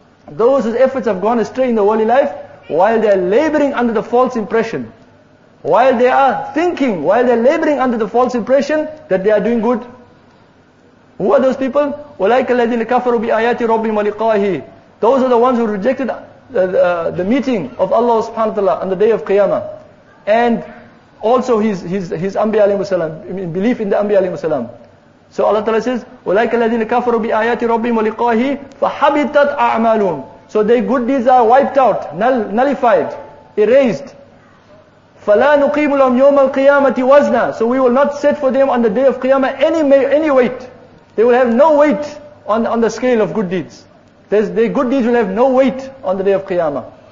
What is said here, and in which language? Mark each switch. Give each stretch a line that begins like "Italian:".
English: Those whose efforts have gone astray in the worldly life, while they are laboring under the false impression, while they are thinking, while they are laboring under the false impression that they are doing good. Who are those people?
Arabic: أُولَٰئِكَ الَّذِينَ كَفَرُوا بِآيَاتِ رَبِّهِمْ وَلِقَائِهِ.
English: Those are the ones who rejected the meeting of Allah subhanahu wa ta'ala on the day of Qiyamah. And also his Anbiya alayhi salam, in belief in the Anbiya alayhi salam. So Allah Ta'ala says,
Arabic: وَلَيْكَ الَّذِينَ كَفَرُوا بِآيَاتِ رَبِّهِمْ وَلِقَاهِ فَحَبِتَتْ أَعْمَالُهُمْ.
English: So their good deeds are wiped out, nullified, erased.
Arabic: فَلَا نُقِيمُ لَهُمْ يَوْمَ الْقِيَامَةِ وَزْنًا.
English: So we will not set for them on the day of Qiyamah any weight. They will have no weight on the scale of good deeds. Their good deeds will have no weight on the day of Qiyamah.